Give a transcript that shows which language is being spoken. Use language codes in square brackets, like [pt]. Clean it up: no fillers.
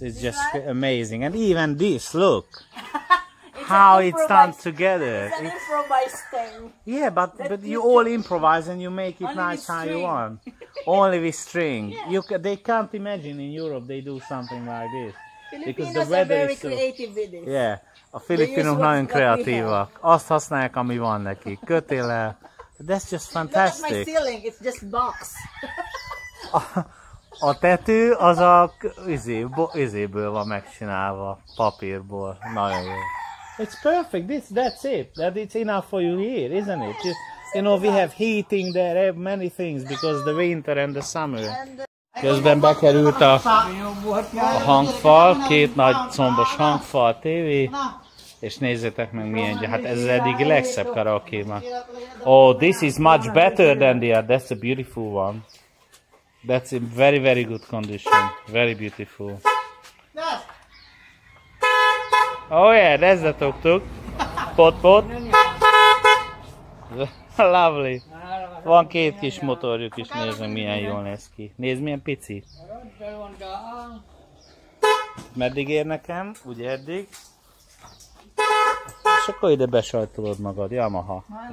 [en] It's just amazing. And even this, look. How it's done together. It's an improvised thing. Yeah, but you all improvise and you make it nice how you want. Only with string. Yeah. They can't imagine in Europe they do something like this. Because the weather is so. Filipinos are very creative with this. [hu] Yeah, a Filipinos nagyon kreatívak. Azt használják, ami van neki. Kötéllel. [en] That's just fantastic. Look at my ceiling. It's just box. [hu] A tető az a izéből van megcsinálva, papírból. Nagyon jó. [en] It's perfect. That's it. That it's enough for you here, isn't it? You know, we have heating there, have many things because the winter and the summer. [hu] Közben bekerült a hangfal, két nagy combos hangfal, a tévé. És nézzétek meg milyen, hát ez az eddig legszebb karaoke. [en] Oh, this is much better than the other. That's a beautiful one. That's in very, very good condition. Very beautiful. Oh yeah, that's the tuk-tuk. Pot-pot. Lovely. [hu] Van két kis motorjuk is, nézzük milyen jól néz ki. Nézd milyen pici. Meddig ér nekem? Ugye eddig? És akkor ide besajtolod magad, Yamaha.